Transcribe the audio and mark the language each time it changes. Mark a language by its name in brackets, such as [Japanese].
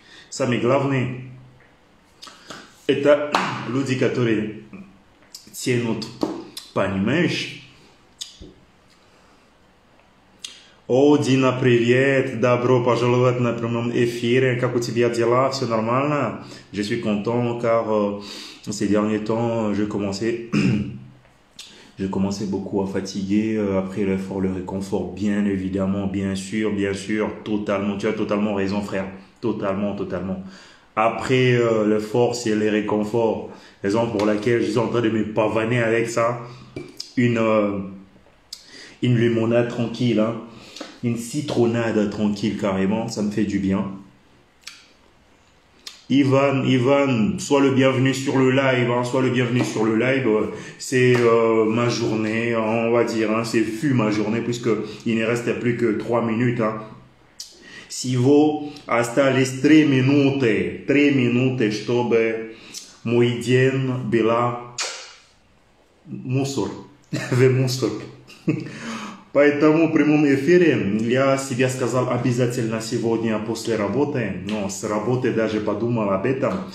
[Russian] Самый главный — это люди, которые тянут, понимаешь? О, Дина, привет! Добро пожаловать на прямом эфире. Как у тебя дела? Все нормально? [French] Je suis content, car ces derniers temps, j'ai commencé beaucoup à fatiguer après l'effort, le réconfort. Bien évidemment, bien sûr, totalement. Tu as totalement raison, frère. Totalement. Après le force et le réconfort, raison pour laquelle je suis en train de me pavaner avec ça, une limonade tranquille, hein, une citronnade tranquille carrément, ça me fait du bien. Ivan, sois le bienvenu sur le live, hein, sois le bienvenu sur le live. C'est ma journée, on va dire, hein, c'est fut ma journée puisque il ne restait plus que 3 minutes, hein. [Russian] Всего остались 3 минуты, чтобы мой день был мусор, в мусор. Поэтому в прямом эфире я себе сказал обязательно сегодня после работы, но с работы даже подумал об этом.